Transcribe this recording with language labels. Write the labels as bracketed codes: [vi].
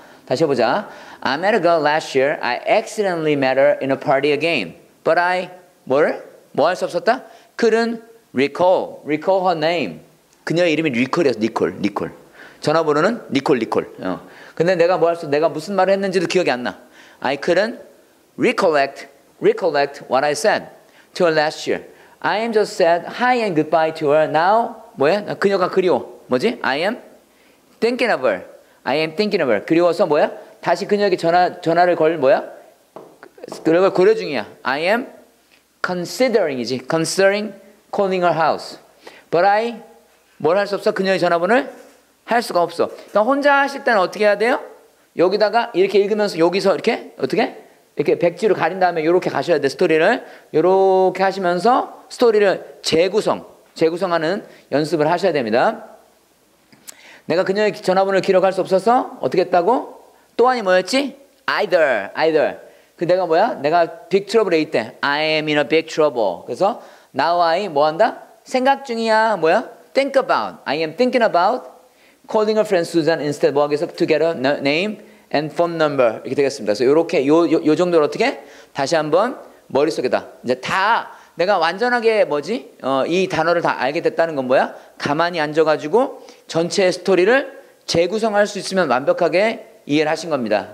[en] 다시 해보자. I met a girl last year. I accidentally met her in a party again. But I, [ko] 뭘? 뭐 할 수 없었다? [en] Couldn't recall. Recall her name. [ko] 그녀의 이름이 리콜이었어. 리콜, 리콜. 전화번호는 리콜, 리콜. 근데 내가 뭐 할 수 없어? 내가 무슨 말을 했는지도 기억이 안 나. [en] I couldn't recollect what I said to her last year. I am just said hi and goodbye to her. Now, 뭐야? [ko] 그녀가 그리워. [en] 뭐지? I am thinking of her. I am thinking of her. 그리워서 뭐야? [ko] 다시 그녀에게 전화를 걸 뭐야? 그걸 고려 중이야. [en] I am considering [ko] 이지. [en] Considering calling her house. But I [ko] 뭘 할 수 없어? 그녀의 전화번호를 할 수가 없어. 그러니까 혼자 하실 때는 어떻게 해야 돼요? 여기다가 이렇게 읽으면서 여기서 이렇게 어떻게? 이렇게 백지로 가린 다음에 이렇게 가셔야 돼. 스토리를 이렇게 하시면서 스토리를 재구성하는 연습을 하셔야 됩니다. 내가 그녀의 전화번호를 기록할 수 없어서 어떻게 했다고? 또한이 뭐였지? Either. 그 내가 뭐야? [en] 내가 big trouble에 있대. I am in a big trouble. 그래서 now I 뭐한다? [ko] 생각 중이야. [en] 뭐야? Think about. I am thinking about calling a friend Susan instead. [ko] 뭐하기 위해서 [en] to get a name and phone number. [ko] 이렇게 되겠습니다. 그래서 이렇게 요 정도로 어떻게? 다시 한번 머릿속에다. 이제 다 내가 완전하게 뭐지? 이 단어를 다 알게 됐다는 건 뭐야? 가만히 앉아가지고 전체 스토리를 재구성할 수 있으면 완벽하게 이해를 하신 겁니다.